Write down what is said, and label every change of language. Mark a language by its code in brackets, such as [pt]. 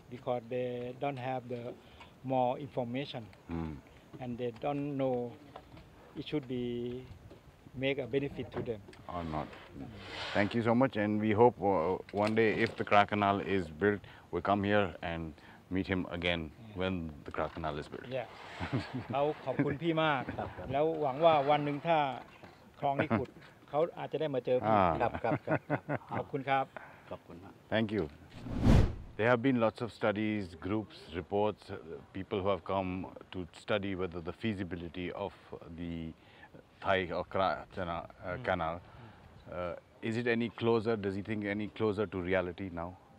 [en] because they don't have the more information and they don't know it should beMake a benefit to them or not. Thank you so much, and we hope one day if the Kra Canal is built, we come here and meet him again when the Kra Canal is built. Yeah. [th] เขาขอบคุณพี่มากแล้วหวังว่าวันหนึ่งถ้าคลองนี้ขุดเขาอาจจะได้มาเจอพี่ครับ ขอบคุณครับ ขอบคุณมาก [en] Thank you. There have been lots of studies, groups, reports, people who have come to study whether the feasibility of the Thai or Kra Canal. Is it any closer? Does he think any closer to reality now?